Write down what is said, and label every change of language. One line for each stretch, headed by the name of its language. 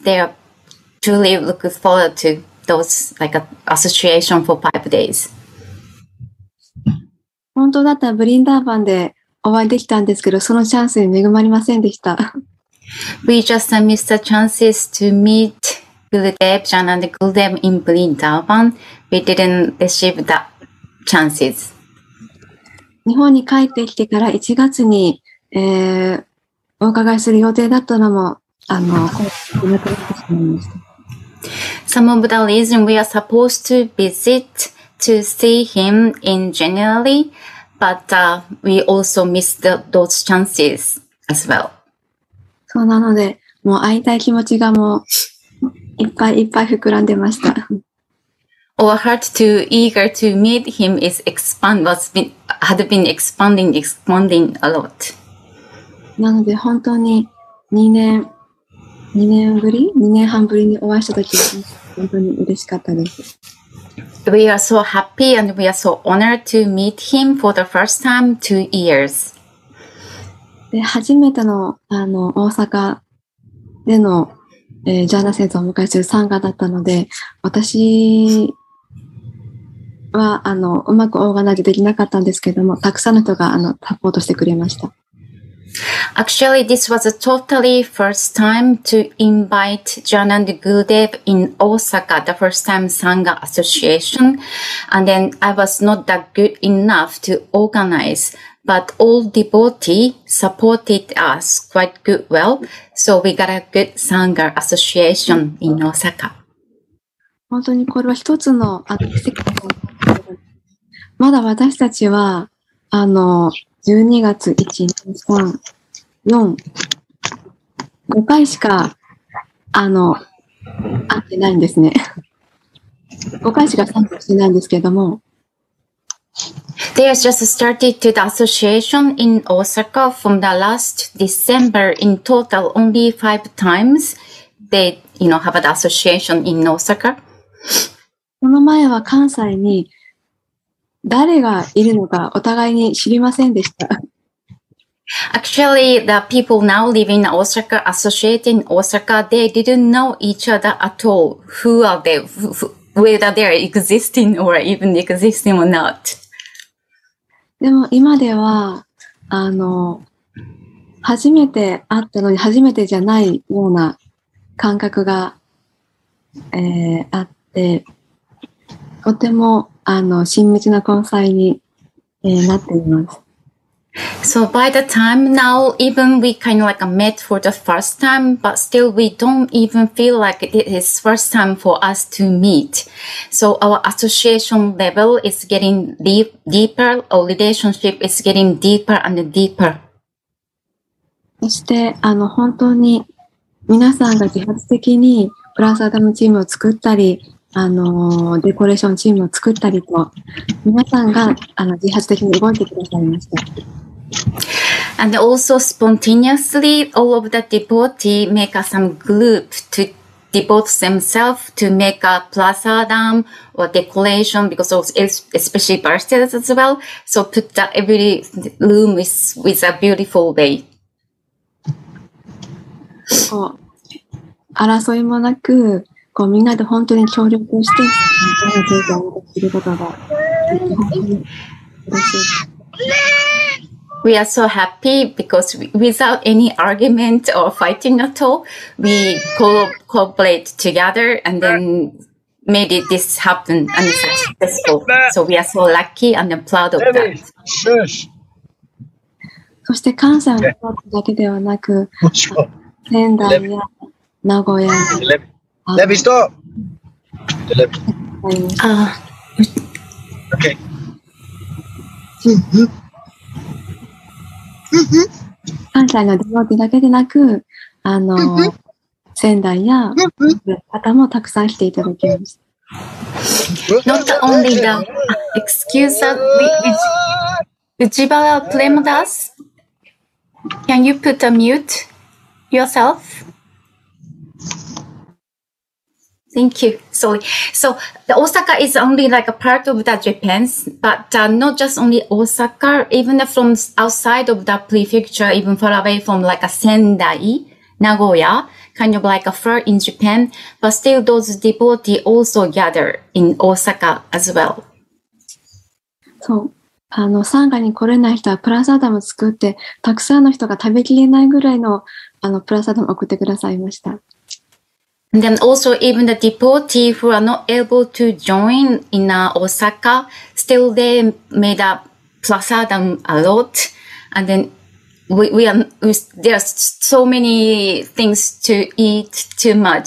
English: They are truly looking forward to those, like, association for 5 days.
Japanese: 本当だったらブリンダーバンでお会いできたんですけど、そのチャンスに恵まれませんでした。
English: We just missed the chances to meet Gurudev, Jananda Gurudev in Vrindavan. We didn't receive the chances.
Japanese: 日本に帰ってきてから1月に、お伺いする予定だったのも、
English: Some of the reason we are supposed to visit to see him in January, but we also missed those chances as well.
Japanese: そうなので、もう会いたい気持ちがもういっぱいいっぱい膨らんでました。
English: Our heart too eager to meet him is expand, was been, had been expanding, expanding a lot.
Japanese: なので本当に2年半ぶりにお会いした時は本当に嬉しかったです。
English: We are so happy and we are so honored to meet him for the first time 2 years.
Japanese: で、初めて の大阪でのジャーナ先生をお迎えする参加だったので、私はうまくオーガナイズできなかったんですけども、たくさんの人がサポートしてくれました。
English: Actually, this was a totally first time to invite Jananda Gurudev in Osaka, the first time Sangha Association. And then I was not that good enough to organize, but all devotees supported us quite good well. So we got a good Sangha Association in Osaka.
Japanese: 本当にこれは一つの奇跡です。まだ私たちは12月1、2、3、4、5回しか会ってないんですね。 5回しか参加してないんですけども。
English: They have just started to the association in Osaka from the last December. In total, only 5 times they, you know, have an association in Osaka.
Japanese: その前は関西に誰がいるのかお互いに知りませんでした。
English: Actually, the people now living in Osaka, associating Osaka, they didn't know each other at all. Who are they? Whether they are existing or even existing or not.
Japanese: でも今では、初めて会ったのに初めてじゃないような感覚があってとてもあの親密な交際に、なっています。
English: So by the time now, even we kind of like met for the first time, but still we don't even feel like it is first time for us to meet. So our association level is getting deeper, our relationship is getting deeper and deeper.
Japanese: そしてあの本当に皆さんが自発的にプラスアダムチームを作ったり、あのデコレーションチームを作ったりと、皆さんがあの自発的に動いてくださいました。
English: And also spontaneously, all of the devotees make some group to devote themselves to make a prasadam or decoration because of especially birthdays as well. So put the every room with a beautiful way.
Japanese: 争いもなく、こうみんなで本当に協力して、みんなで協力することが嬉しい。
English: We are so happy because without any argument or fighting at all, we cooperate together and then made this happen and successful. So we are so lucky and proud of that.
Japanese: そして関西のスポーツだけではなく、仙台や名古屋。レビストップ。関西のデモだけでなく、あの仙台や方もたくさん来ていただきました。
English: Not only the excuse that Ujibara blamed us. Can you put a mute yourself? Thank you. Sorry. So the Osaka is only like a part of the Japan, but not just only Osaka, even from outside of the prefecture, even far away from like a Sendai, Nagoya, kind of like a far in Japan, but still those devotees also gather in Osaka as well.
Japanese: So, あの、参加に来れない人はプラスアダム作って、たくさんの人が食べきれないぐらいの、あの、プラスアダム送ってくださいました。
English: And then also even the devotees who are not able to join in Osaka, still they made a prasadam a lot. And then there are so many things to eat too much.